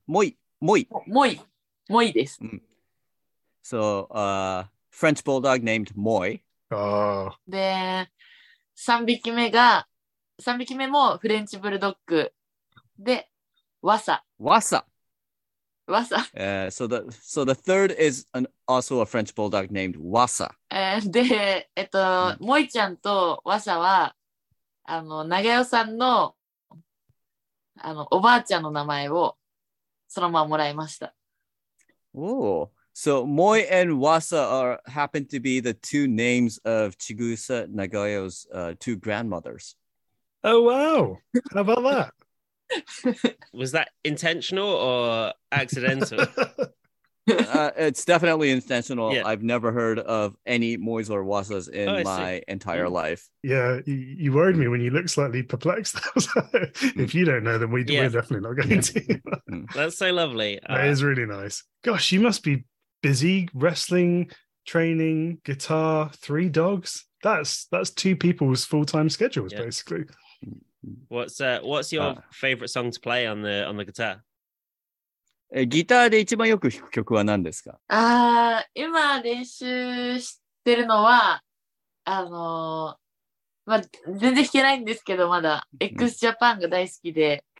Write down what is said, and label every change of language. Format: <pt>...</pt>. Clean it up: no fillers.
<ja>モイです。</ja> <en>So, French bulldog named モイ。</en> <ja>で、3匹目もフレンチブルドッグで、ワサ。ワサ。</ja> <en>Wasa. So the third is also a French bulldog named Wasa.</en> <ja>で、モイちゃんとワサは、長代さんの、おばあちゃんの名前をそのままもらいました。</ja> <en>Oh, so Moi and Wasa happen to be the two names of Chigusa Nagayo's two grandmothers. Oh, wow. How about that? Was that intentional or accidental? It's definitely intentional. Yeah. I've never heard of any Moys or Wasas in my entire life. Yeah, you worried me when you looked slightly perplexed. If you don't know, then we're definitely not going to. That's so lovely. That is really nice. Gosh, you must be busy wrestling, training, guitar, three dogs. That's two people's full-time schedules, basically. What's your favorite song to play on the guitar?</en> <ja>ギターで一番よく弾く曲は何ですか？ああ、今練習してるのは、まあ、全然弾けないんですけど、まだ、X ジャパンが大好きで。</ja>